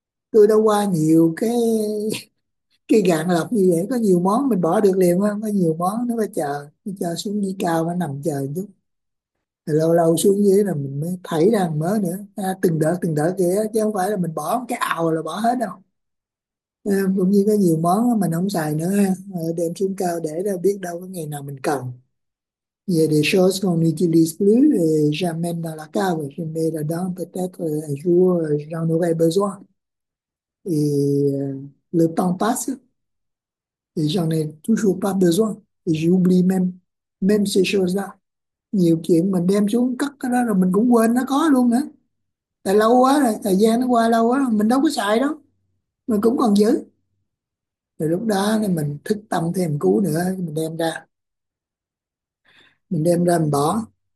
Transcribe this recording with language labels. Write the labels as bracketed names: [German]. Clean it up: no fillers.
[Vietnamese] Tôi đã qua nhiều cái gạn lọc như vậy, có nhiều món mình bỏ được liền không, có nhiều món nó phải chờ, nó chờ xuống dưới cao, nó nằm chờ một chút, lâu lâu xuống dưới là mình mới thấy ra mới nữa. À, từng đỡ kia, chứ không phải là mình bỏ một cái ào là bỏ hết đâu. À, cũng như có nhiều món mình không xài nữa ha, đem xuống cao để đâu biết đâu có ngày nào mình cần. [French] Il y a des choses qu'on n'utilise plus et j'amène dans la cave. Je mets là-dedans, peut-être un jour j'en aurai besoin. Et le temps passe et j'en ai toujours pas besoin. Et j'oublie même ces choses-là. [Vietnamese] Nhiều chuyện mình đem xuống cất cái đó rồi mình cũng quên nó có luôn nữa. Tại lâu quá rồi, thời gian nó qua lâu quá, mình đâu có xài đâu, mình cũng còn giữ. Rồi lúc đó thì mình thức tâm thêm cú nữa, mình đem ra. Mình đem ra mình bỏ.